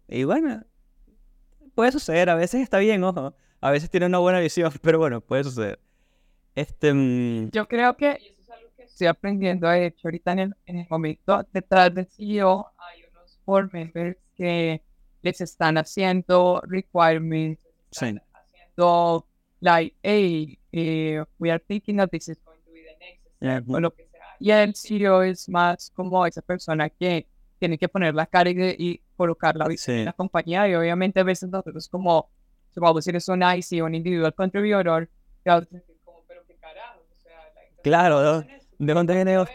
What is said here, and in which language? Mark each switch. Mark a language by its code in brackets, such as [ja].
[es] Y bueno, puede suceder, a veces está bien, ojo. A veces tiene una buena visión, pero bueno, puede suceder. Yo creo que, y eso es algo que estoy aprendiendo, de hecho, ahorita en el momento, detrás del CEO hay unos board members que les están haciendo requirements, están Sí. haciendo, [en] hey, we are thinking that this is going to be the next step, [es] o lo que sea. Y el CEO es más como esa persona que tiene que poner la cara y colocar la visión en la Sí. compañía. Y obviamente, a veces nosotros, como, supongo, si eres un IC, un individual contributor, te vas a sentir como, pero qué carajo. Claro, ¿de dónde viene Entonces,